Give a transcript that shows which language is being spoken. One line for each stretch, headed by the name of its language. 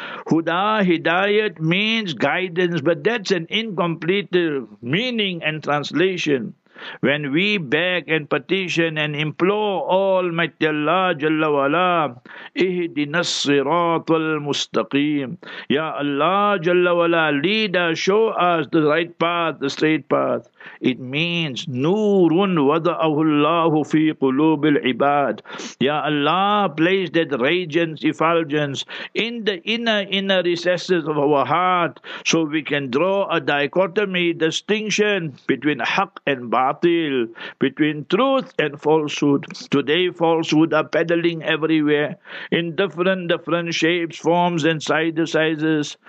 English: Huda, hidayat, means guidance, but that's an incomplete meaning and translation. When we beg and petition and implore Almighty Allah Jalla Wala,
Arabic: اهدنا الصراط المستقيم,
English: Ya Allah Jalla Wala, lead us, show us the right path, the straight path. It means
Arabic: نورٌ وضعه الله في قلوب العباد.
English: Ya Allah, place that radiance, effulgence in the inner recesses of our heart, so we can draw a dichotomy, distinction between haq and batil, between truth and falsehood. Today, falsehood are peddling everywhere in different shapes, forms and sizes.